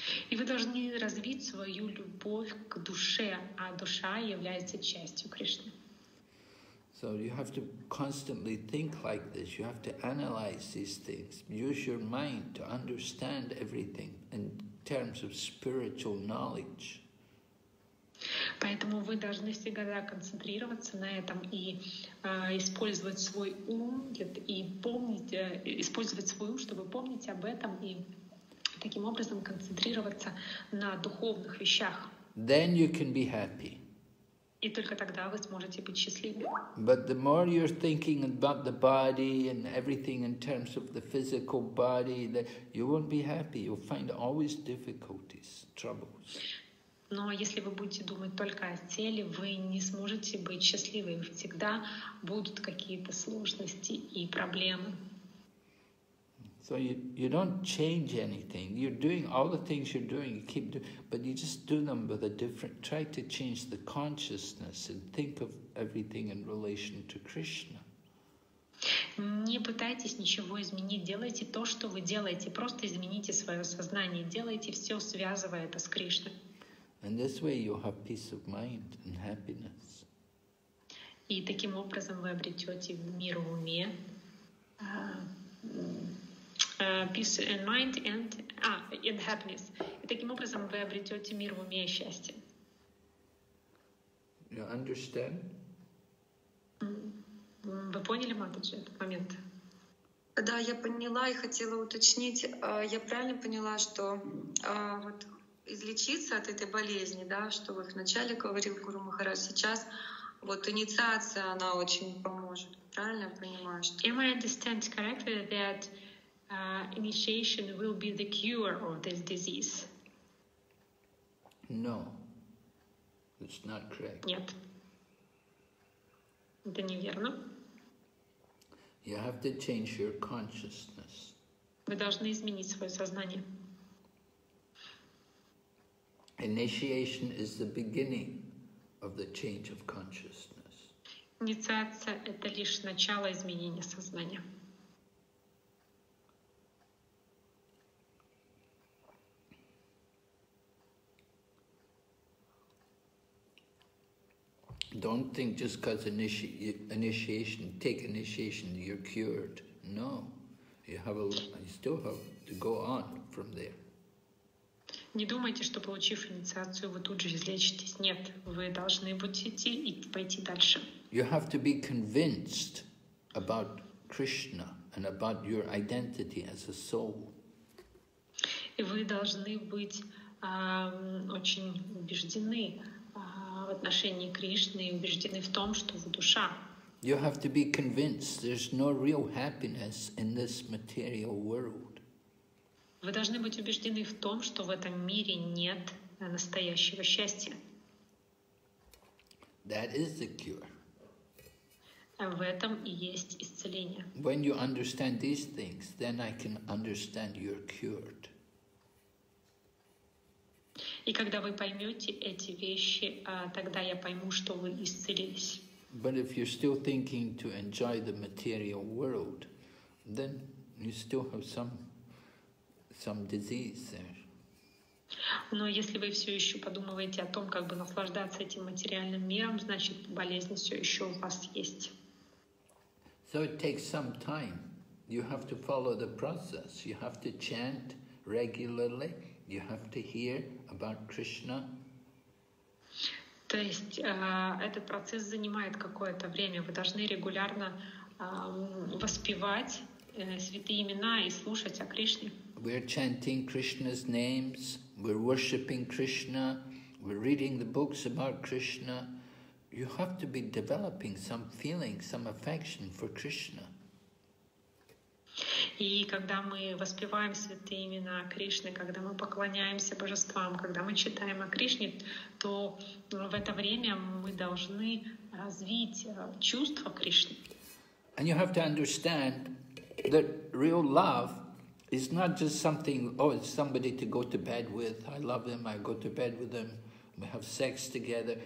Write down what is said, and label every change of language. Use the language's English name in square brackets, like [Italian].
[Russian] И вы должны развить свою любовь к душе, а душа является частью Кришны. [English] So you have to constantly think like this. You have to analyze these things. Use your mind to understand everything in terms of spiritual knowledge. [Russian] Поэтому вы должны всегда концентрироваться на этом и использовать свой ум и помнить, использовать свой ум, чтобы помнить об этом и таким образом концентрироваться на духовных вещах. [English] Then you can be happy. [Russian] И только тогда вы сможете быть счастливы. [English] But the more you're thinking about the body and everything in terms of the physical body, that you won't be happy. You'll find always difficulties, troubles. [Russian] Но если вы будете думать только о теле, вы не сможете быть счастливы. Всегда будут какие-то сложности и проблемы. [English] So you don't change anything. You're doing all the things you're doing, you keep doing, but you just do them with a different, try to change the consciousness and think of everything in relation to Krishna. [Russian] Не пытайтесь ничего изменить, делайте то, что вы делаете, просто измените свое сознание, делайте все, связывая это с Кришной. [English] And this way you have peace of mind and happiness. [Russian] И таким образом вы обретете мир в уме. [English] Peace in mind and in happiness. [Russian] И таким образом вы обретете мир в уме и счастье. [English] You understand? [Russian] Вы поняли, Матаджи, этот момент? Да, я поняла и хотела уточнить. Я правильно поняла, что вот излечиться от этой болезни, да, что вы вначале говорил Гуру Махарадж, сейчас вот инициация, она очень поможет. Правильно я понимаю? Что... [English] Am I understand correctly that initiation will be the cure of this disease? No, it's not correct. [Russian] Нет. Это неверно. [English] You have to change your consciousness. [Russian] Вы должны изменить свое сознание. [English] Initiation is the beginning of the change of consciousness. [Russian] Инициация — это лишь начало изменения сознания. [English] Don't think just because take initiation, you're cured. No, you still have to go on from there. [Russian] Не думайте, что получив инициацию, вы тут же излечитесь. Нет, вы должны будете идти и пойти дальше. [English] You have to be convinced about Krishna and about your identity as a soul. [Russian] И вы должны быть очень убеждены в отношении Кришны и убеждены в том, что вы душа. [English] You have to be convinced there's no real happiness in this material world. [Russian] Вы должны быть убеждены в том, что в этом мире нет настоящего счастья. [English] That is the cure. [Russian] В этом и есть исцеление. [English] When you understand these things, then I can understand you're cured. [Russian] И когда вы поймете эти вещи, тогда я пойму, что вы исцелились. [English] But if you're still thinking to enjoy the material world, then you still have some disease there. [Russian] Но если вы все еще подумываете о том, как бы наслаждаться этим материальным миром, значит, болезнь все еще у вас есть. [English] So it takes some time. You have to follow the process. You have to chant regularly. You have to hear about Krishna. [Russian] То есть этот процесс занимает какое-то время. Вы должны регулярно воспевать святые имена и слушать о Кришне. [English] We're chanting Krishna's names, we're worshipping Krishna, we're reading the books about Krishna, You have to be developing some feeling, some affection for Krishna. [Russian] И когда мы воспеваем святые имена Кришны, когда мы поклоняемся божествам, когда мы читаем о Кришне, то в это время мы должны развить чувство Кришны. [English] And you have to understand that real love is not just something, oh, it's somebody to go to bed with, I love them, I go to bed with them, we have sex together.